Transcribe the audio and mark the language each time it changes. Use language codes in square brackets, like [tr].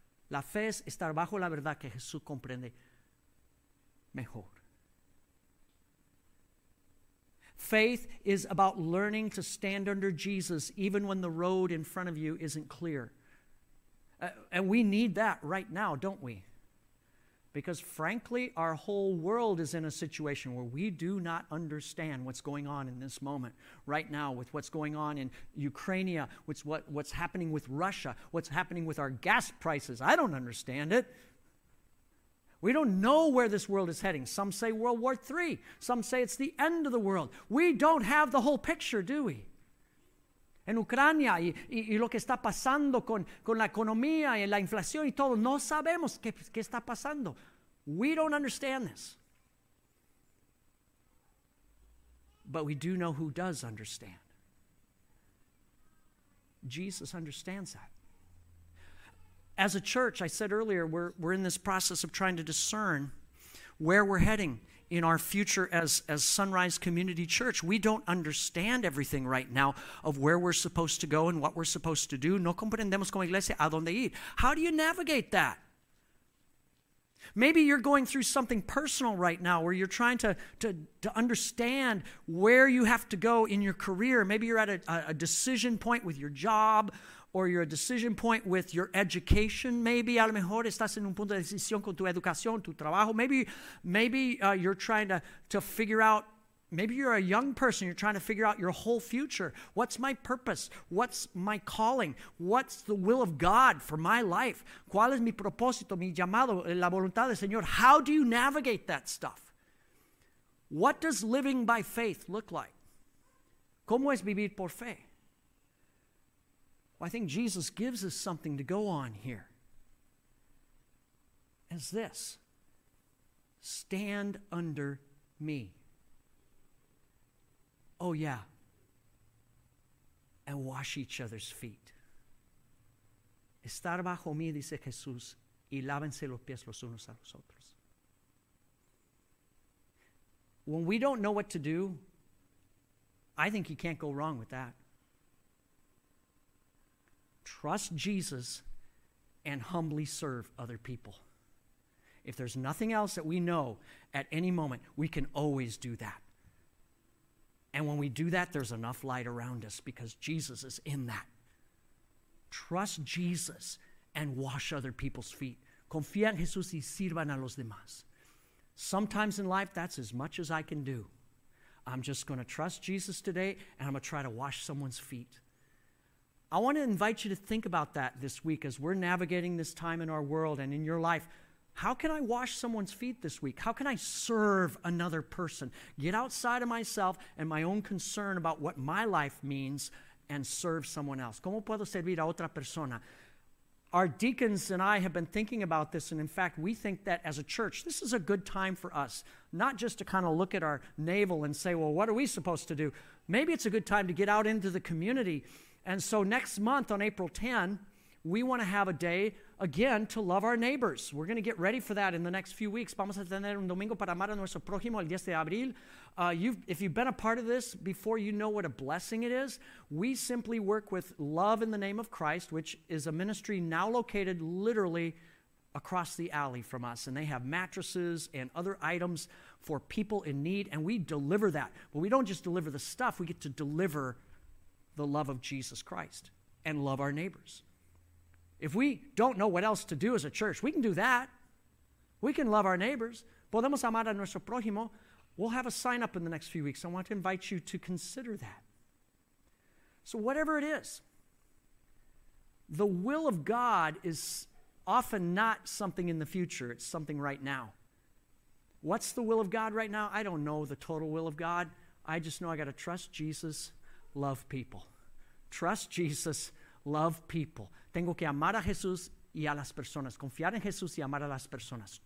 [es] La fe es estar bajo la verdad que Jesús comprende mejor. [en] Faith is about learning to stand under Jesus even when the road in front of you isn't clear. And we need that right now, don't we? Because frankly, our whole world is in a situation where we do not understand what's going on in this moment, right now, with what's going on in Ukraine, what's happening with Russia, what's happening with our gas prices. I don't understand it. We don't know where this world is heading. Some say World War III. Some say it's the end of the world. We don't have the whole picture, do we? [es] En Ucrania, y lo que está pasando con la economía y la inflación y todo, no sabemos qué está pasando. [en] We don't understand this. But we do know who does understand. Jesus understands that. As a church, I said earlier, we're in this process of trying to discern where we're heading in our future as Sunrise Community Church. We don't understand everything right now of where we're supposed to go and what we're supposed to do. [es] No comprendemos como iglesia a dónde ir. [en] How do you navigate that? Maybe you're going through something personal right now where you're trying to understand where you have to go in your career. Maybe you're at a decision point with your job, or you're a decision point with your education. Maybe [es] a lo mejor estás en un punto de decisión con tu educación, tu trabajo. [en] Maybe you're trying to figure out, maybe you're a young person, you're trying to figure out your whole future. What's my purpose? What's my calling? What's the will of God for my life? [es] ¿Cuál es mi propósito, mi llamado, la voluntad del Señor? [en] How do you navigate that stuff? What does living by faith look like? [es] ¿Cómo es vivir por fe? [en] Well, I think Jesus gives us something to go on here. As this, stand under me. Oh, yeah. And wash each other's feet. [es] Estar bajo mí, dice Jesús, y lávense los pies los unos a los otros. [en] When we don't know what to do, I think you can't go wrong with that. Trust Jesus and humbly serve other people. If there's nothing else that we know at any moment, we can always do that. And when we do that, there's enough light around us because Jesus is in that. Trust Jesus and wash other people's feet. [es] Confía en Jesús y sirvan a los demás. [en] Sometimes in life, that's as much as I can do. I'm just going to trust Jesus today, and I'm going to try to wash someone's feet. I want to invite you to think about that this week as we're navigating this time in our world and in your life. How can I wash someone's feet this week? How can I serve another person? Get outside of myself and my own concern about what my life means and serve someone else. [es] ¿Cómo puedo servir a otra persona? [en] Our deacons and I have been thinking about this, and in fact, we think that as a church, this is a good time for us, not just to kind of look at our navel and say, well, what are we supposed to do? Maybe it's a good time to get out into the community. And so next month on April 10, we want to have a day, again, to love our neighbors. We're going to get ready for that in the next few weeks. [es] Vamos a tener un domingo para amar a nuestro prójimo el 10 de abril. [en] If you've been a part of this before, you know what a blessing it is. We simply work with Love in the Name of Christ, which is a ministry now located literally across the alley from us. And they have mattresses and other items for people in need. And we deliver that. But we don't just deliver the stuff. We get to deliver the love of Jesus Christ and love our neighbors. If we don't know what else to do as a church, we can do that. We can love our neighbors. [es] Podemos amar a nuestro prójimo. [en] We'll have a sign up in the next few weeks. I want to invite you to consider that. So whatever it is, the will of God is often not something in the future. It's something right now. What's the will of God right now? I don't know the total will of God. I just know I got to trust Jesus, love people. Trust Jesus, love people. [es] Tengo que amar a Jesús y a las personas. Confiar en Jesús y amar a las personas.